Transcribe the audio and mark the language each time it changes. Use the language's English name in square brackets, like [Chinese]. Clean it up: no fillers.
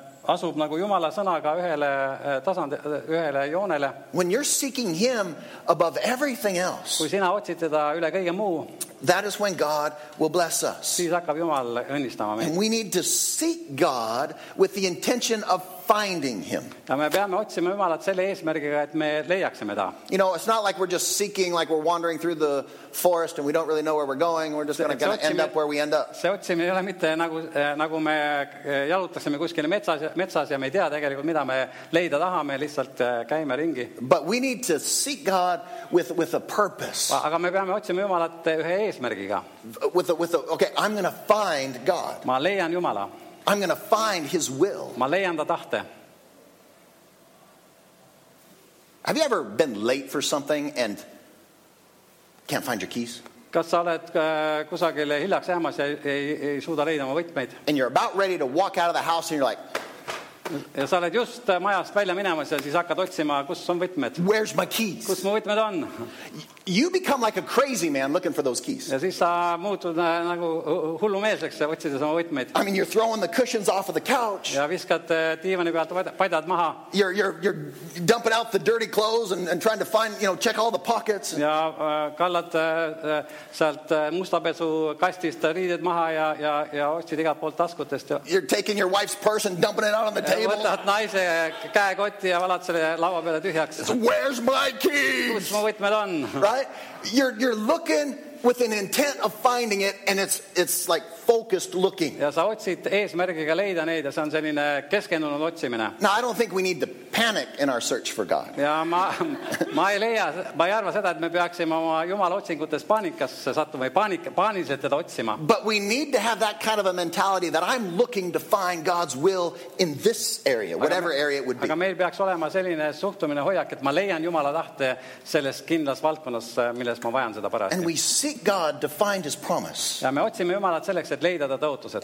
[Estonian] asub nagu Jumala sõnaga ühele tasand ühele joonele. [English] When you're seeking him above everything else. [Estonian] Kui sina otsid teda üle kõige muu. [English] That is when God will bless us. [Estonian] Siis hakkab Jumal õnnistama meid. [English] And we need to seek God with the intention of finding him. [Estonian] Ja me peame otsima Jumalat selle eesmärgiga, et me leiaksime ta. [English] You know, it's not like we're just seeking, like we're wandering through the forest and we don't really know where we're going. We're just going to end up where we end up. [Estonian] See otsime ei ole mitte nagu me jalutasime kuskile metsas ja me ei tea tegelikult, mida me leida tahame, lihtsalt käime ringi. [English] But we need to seek God with a purpose. [Estonian] Aga me peame otsima Jumalat ühe eesmärgiga. [English] Okay, I'm going to find God. [Estonian] Ma leian Jumala. [English] I'm going to find his will. [Estonian] Ma leian ta tahte. [English] Have you ever been late for something and can't find your keys? [Estonian] Kas sa oled kusagile hiljaks jäämas ja ei suuda leida oma võtmeid? [English] And you're about ready to walk out of the house and you're like, [Estonian] ja sa oled just majast välja minemas ja siis hakkad otsima, kus on võtmed. [English] Where's my keys? [Estonian] Kus mu võtmed on? [English] You become like a crazy man looking for those keys. [Estonian] Ja siis sa muutud nagu hullumeelseks ja otsid oma võtmed. [English] I mean, you're throwing the cushions off of the couch. [Estonian] Ja viskad diivani pealt paidad maha. [English] You're dumping out the dirty clothes and trying to find, you know, check all the pockets. [Estonian] Ja kallad sealt mustapesu kastist riided maha ja otsid igalt poolt taskutest. [English] You're taking your wife's purse and dumping it out on the table. [Estonian] Ja võtad naise käekoti ja valad selle laua peale tühjaks. [English] So where's my keys? [Estonian] Kus mu võtmed on? [English] Right? You're looking with an intent of finding it and it's like focused looking. [Estonian] Ja sa otsid eesmärgiga leida neid ja see on selline keskendunud otsimine. [English] Now I don't think we need to panic in our search for God. [Estonian] Ja ma ei arva seda, et me peaksime oma Jumala otsingutes paanikasse sattuma või paaniliselt teda otsima. [English] But we need to have that kind of a mentality that I'm looking to find God's will in this area, whatever area it would be. [Estonian] Aga meil peaks olema selline suhtumine hoiak, et ma leian Jumala tahte selles kindlas valdkonnas, milles ma vajan seda parasti. [English] And we seek God to find his promise. [Estonian] Ja me otsime Jumalat selleks, et leida ta tõotused.